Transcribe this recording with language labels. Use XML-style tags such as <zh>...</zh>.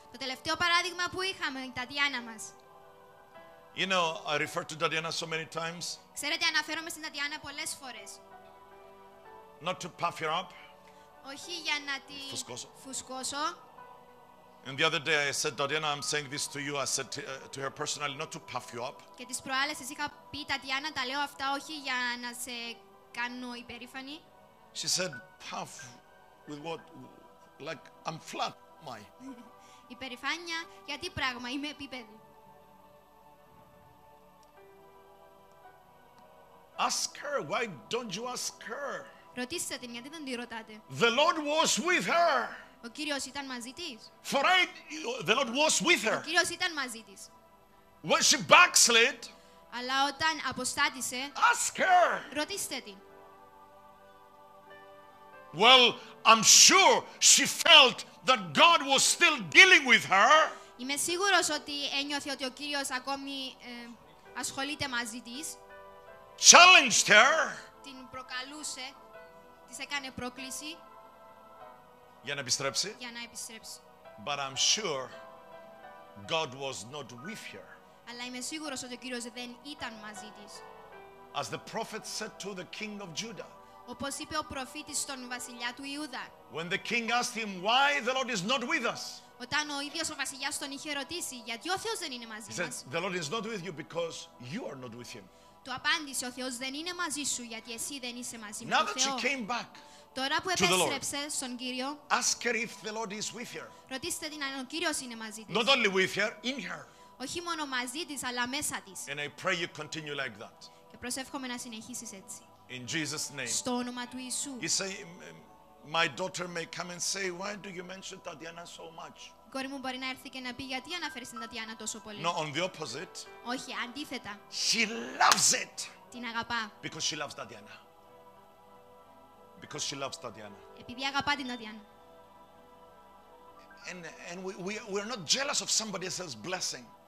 <el>Το τελευταίο παράδειγμα που είχαμε, Tatiana Mas.</el> <en>You know, I refer to Tatiana so many times.</en> <el>Ξέρετε, αναφέρομαι στην Tatiana πολλές φορές.</el> <en>Not to puff her up.</en> <el>Όχι για να τη φουσκώσω.</el> <en>And the other day I said, Tatiana, I'm saying this to you. I said to her personally, not to puff you up.</en> <el>Και τις προάλλες είχα πει, Tatiana, τα λέω αυτά όχι για να σε κάνω υπερήφανη.</el> <en>She said, puff with what? Like I'm flat, my.</en> <el>Υπερηφάνεια, γιατί πράγμα είμαι επίπεδη.</el> <en>Ask her, why don't you ask her?</en> <el>Ρωτήστε την, γιατί δεν τη ρωτάτε.</el> <en>The Lord was with her.</en> <el>Ο Κύριος ήταν μαζί της.</el> <en>For I, the Lord was with her.</en> <el>Ο Κύριος ήταν μαζί της.</el> <en>When she backslid.</en> <el>Αλλά όταν αποστάτησε.</el> <en>Ask her.</en> <el>Ρωτήστε την.</el> <en>Well, I'm sure she felt that God was still dealing with her.</en> <el>Είμαι σίγουρος ότι ένιωθε ότι ο Κύριος ακόμη ασχολείται μαζί της.</el> <en>Challenged her.</en> <el>Την προκαλούσε. Της έκανε πρόκληση. Για να επιστρέψει. Για να επιστρέψει.</el> <en>But I'm sure God was not with her.</en> <el>Αλλά είμαι σίγουρος ότι ο Κύριος δεν ήταν μαζί της.</el> <en>As the prophet said to the king of Judah.</en> <el>όπως είπε ο προφήτης στον βασιλιά του Ιούδα.</el> <en>When the king asked him why the Lord is not with us.</en> <el>Όταν ο ίδιος ο βασιλιάς τον είχε ρωτήσει γιατί ο Θεός δεν είναι μαζί μας.</el> <en>He said, the Lord is not with you because you are not with him.</en> <el>Του απάντησε ο Θεός δεν είναι μαζί σου γιατί εσύ δεν είσαι μαζί με τον</el> <en>Θεό. Now that she came back.</en> <el>Τώρα που επέστρεψε στον Κύριο.</el> <en>Ask her if the Lord is with her.</en> <el>Ρωτήστε την αν ο Κύριος είναι μαζί της.</el> <en>Not only with her, in her.</en> <el>Όχι μόνο μαζί της αλλά μέσα της.</el> <en>And I pray you continue like that.</en> <el>Και προσεύχομαι να συνεχίσεις έτσι.</el> <en>In Jesus' name.</en> <el>Στο όνομα του Ιησού.</el> <en>He say, my daughter may come and say, why do you mention Tatiana so much?</en> <el>Κόρη μου μπορεί να έρθει και να πει γιατί αναφέρεις την Τατιάνα τόσο πολύ.</el> <en>No, on the opposite.</en> <el>Όχι, αντίθετα.</el> <en>She loves it.</en> <el>Την αγαπά.</el> <en>Because she loves Tatiana. Because she loves Tatiana.</en> <el>Επειδή αγαπά την Τατιάνα.</el> <en>And we are not jealous of somebody else's blessing.</en>